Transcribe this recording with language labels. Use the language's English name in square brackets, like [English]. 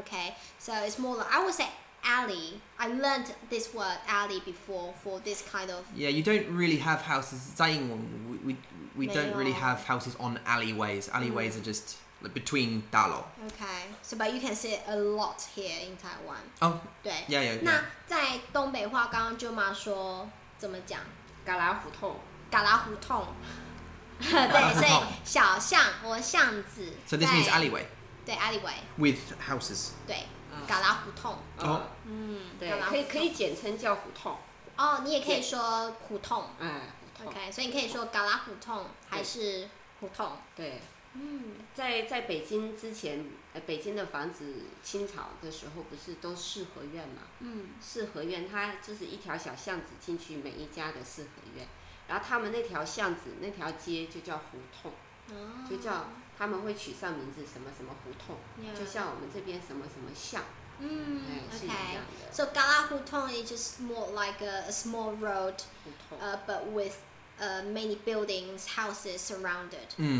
[English] Okay, so it's more like, I would say alley. I learned this word alley before for this kind of... Yeah, you don't really have houses. [Chinese] 在英文 [English] We don't really have houses on alleyways. Alleyways are just like between 大楼 Okay, so but you can see it a lot here in Taiwan. Oh, [Chinese] 对 [English] yeah, yeah, [Chinese] 那在东北话，刚刚舅妈说怎么讲？旮旯胡同。旮旯胡同。对，所以小巷或巷子。 [English] So this means alleyway. 对 alleyway. With houses. [Chinese] 对，旮旯胡同。哦。嗯，对，可以简称叫胡同。哦，你也可以说胡同。嗯。 OK， 所以你可以说旮旯胡同还是胡同。对，嗯，在北京之前，北京的房子清朝的时候不是都四合院吗？嗯，四合院它就是一条小巷子进去每一家的四合院，然后他们那条巷子那条街就叫胡同，哦、就叫他们会取上名字什么什么胡同，嗯、就像我们这边什么什么巷。 [English] Okay. So, 旮旯胡同 is just more like a small road, but with many buildings, houses surrounded.